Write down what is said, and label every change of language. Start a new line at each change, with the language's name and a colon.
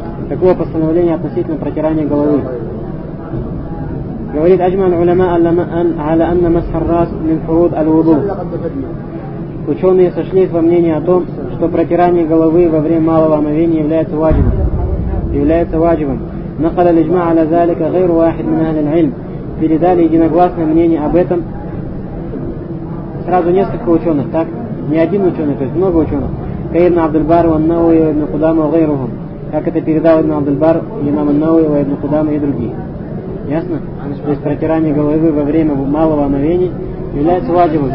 Russian: Какое постановление относительно протирания головы? Говорит,
Arabic: аджмал улема аля анна масхаррас мин фуруд аль-вуду.
Russian: Ученые сошлись во мнении о том, что протирание головы во время малого омовения является ваджибом. Является ваджибом.
Arabic: نقل الإجماع على ذلك غير واحد من أهل العلم.
Russian: Передали единогласное мнение об этом сразу несколько ученых, так? Не один ученый, то есть много ученых. Кайбн Абдельбар, Ван Науи, Ибн Кудама, Гайрухам. Как это передал Ибн Абдельбар, Имам Ан-Науи, Ибн Кудама и другие. Ясно? То есть протирание головы во время малого омовения является ваджибом.